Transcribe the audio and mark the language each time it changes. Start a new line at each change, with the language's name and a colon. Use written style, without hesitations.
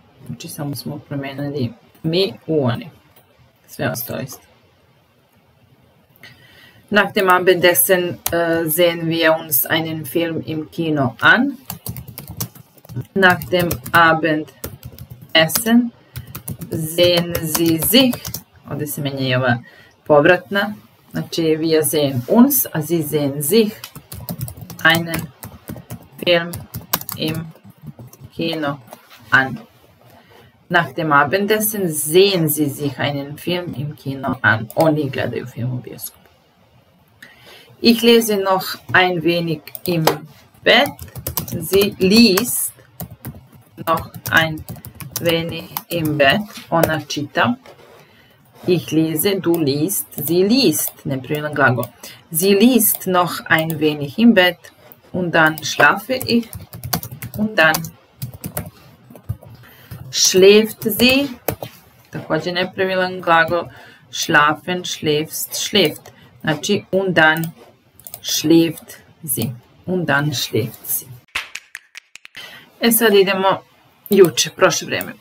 Serbian: Znači samo smo promenili mi u oni. Sve ostao isto.
German: Nach dem Abendessen sehen wir uns einen Film im Kino an. Nach dem Abendessen sehen sie sich.
Serbian: Ovdje se meni je ova povratna. Znači
German: wir sehen uns, a sie sehen sich einen Film im Kino an. Nach dem Abendessen sehen sie sich einen Film im Kino an.
Serbian: Oni gledaju film u bioskopu.
German: Ich lese noch ein wenig im Bett. Sie liest noch ein wenig im Bett.
Serbian: Ona čita.
German: Ich lese, du liest, sie liest.
Serbian: Ne prirodan glagol.
German: Sie liest noch ein wenig im Bett. Und dann schlafe ich und dann schläft sie.
Serbian: Također nepravilan glagol.
German: Schlafen, schläfst, schläft.
Serbian: Znači,
German: und dann schläft sie. Und dann schläft sie.
Serbian: E sad idemo juče, prošle vreme.